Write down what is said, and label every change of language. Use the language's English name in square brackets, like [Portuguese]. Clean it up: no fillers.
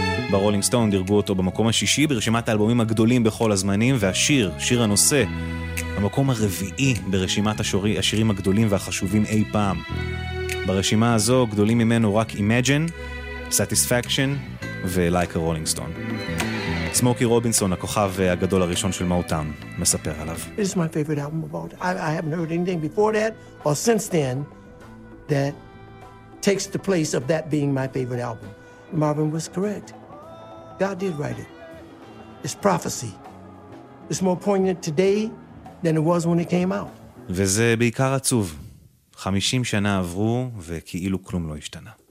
[Hebrew] ברולינג סטון דירגו אותו במקום השישי ברשימת האלבומים הגדולים בכל הזמנים, והשיר, שיר הנושא, במקום הרביעי ברשימת השירים הגדולים והחשובים אי פעם. ברשימה הזו גדולים ממנו רק Imagine, Satisfaction ו-Like a Rolling Stone. סמוקי רובינסון, הכוכב הגדול הראשון של מאוטאון, מספר עליו. [English] This is my favorite album of all time. I haven't heard anything before that or since then that takes the place of that being my favorite album. Marvin was correct. God did write it. It's prophecy. It's more poignant today than it was when it came out. [Hebrew] וזה בעיקר עצוב. 50 שנה עברו וכאילו כלום לא השתנה.